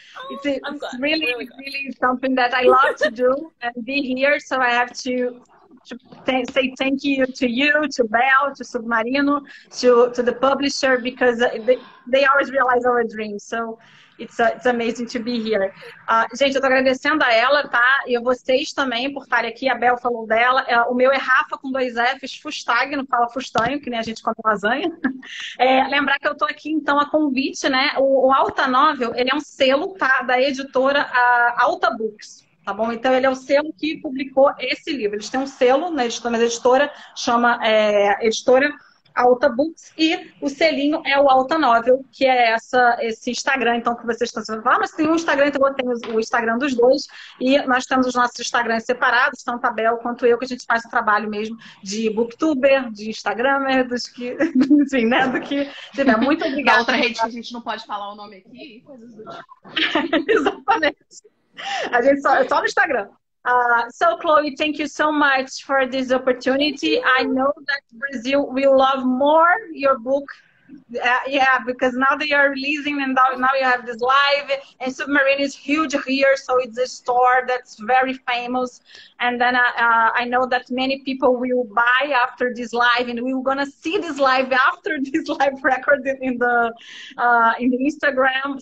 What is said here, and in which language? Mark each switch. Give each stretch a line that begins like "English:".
English: It's really something that I love to do and be here. So I have to say thank you to you, to Bel, to Submarino, to the publisher, because they always realize our dreams. So It's amazing to be here.
Portuguese: Gente, eu tô agradecendo a ela, tá? E a vocês também por estarem aqui. A Bel falou dela. O meu é Rafa com dois Fs, Fustag, não fala Fustanho, que nem a gente come lasanha. Lembrar que eu tô aqui, então, a convite, né? O Alta Novel, ele é um selo, tá? Da editora Alta Books. Tá bom? Então, ele é o selo que publicou esse livro. Eles têm um selo, né? Mas a editora chama Editora Alta Books, e o selinho é o Alta Novel, que é esse Instagram, então, que vocês estão falando, mas tem um Instagram, então eu tenho o Instagram dos dois, e nós temos os nossos Instagrams separados, tanto a Bel quanto eu, que a gente faz o trabalho mesmo de booktuber, de instagrammer, dos que, enfim, né, do que tiver. Muito obrigada. Outra rede que a gente não pode falar o nome aqui, coisas do tipo. Exatamente. A gente só no Instagram.
English: So, Chloe, thank you so much for this opportunity. I know that Brazil will love more your book. Yeah, because now they are releasing and now you have this live, and Submarine is huge here, so it's a store that's very famous, and then I know that many people will buy after this live, and we're gonna see this live after this live recorded in the Instagram.